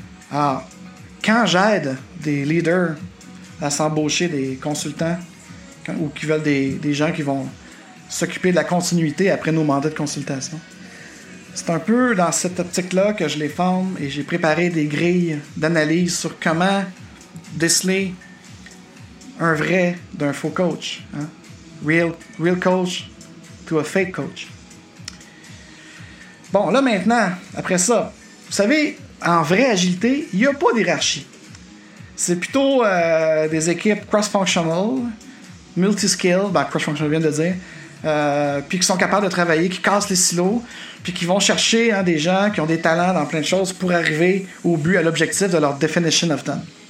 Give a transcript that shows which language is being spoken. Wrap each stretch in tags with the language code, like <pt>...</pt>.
<fr>Alors, quand j'aide des leaders à s'embaucher des consultants ou qui veulent des gens qui vont s'occuper de la continuité après nos mandats de consultation, c'est un peu dans cette optique-là que je les forme et j'ai préparé des grilles d'analyse sur comment déceler un vrai d'un faux coach. Hein?</fr> <en>Real coach to a fake coach.</en> <fr>Bon, là maintenant, après ça, vous savez, en vraie agilité, il n'y a pas d'hierarchie. C'est plutôt des équipes cross-functional, multi-skill, ben, cross-functional, je viens de le dire, puis qui sont capables de travailler, qui cassent les silos, puis qui vont chercher hein, des gens qui ont des talents dans plein de choses pour arriver au but, à l'objectif de leur</fr> <en>definition of done.</en>